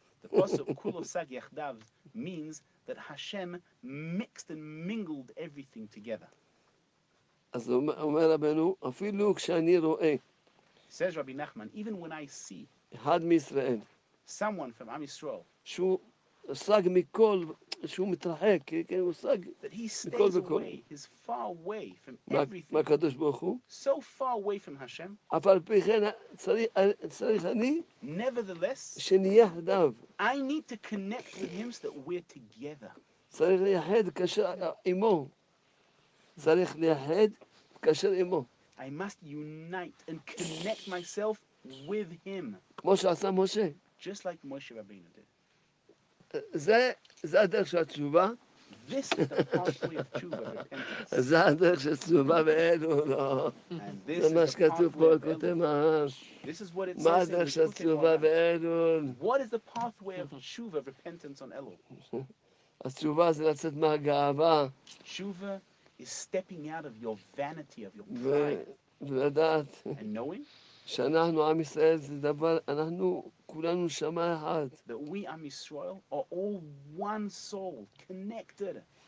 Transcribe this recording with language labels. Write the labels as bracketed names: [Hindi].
[English] The pasuk [Hebrew] כולו שג יחדיו [English] means that Hashem mixed and mingled everything together. [Hebrew] אז אומר רבנו, אפילו כשאני רואה, [English] says Rabbi Nachman, even when I see [Hebrew] אחד מישראל, [English] someone from Am Yisrael, [Hebrew] שהוא שג מכל, שהוא מתרחק, כן, הוא שג מכל וכל, [English] he's far away from everything, [Hebrew] מה הקדוש ברוך הוא, [English] so far away from Hashem, [Hebrew] אף על פי כן צריך אני, [English] nevertheless, [Hebrew] שנהיה אחדיו, [English] I need to connect with him so that we're together, [Hebrew] צריך לייחד קשר עמו, צריך לייחד קשר עמו. [English] I must unite and connect myself with him. [Hebrew] כמו שעשה משה. [English] Just like Moshe Rabbeinu did. [Hebrew] זה הדרך של התשובה. [English] This is the pathway of tshuva. [Hebrew] זה הדרך של תשובה ואין הוא לא. זה מה שכתוב פה, כותב ממש. [English] This is what it says. [Hebrew] מה הדרך של תשובה ואין הוא? [English] What is the pathway of tshuva, repentance on Elul? Tshuva is stepping out of your vanity, of your pride, and knowing that we, Am Yisrael, are all one soul, connected.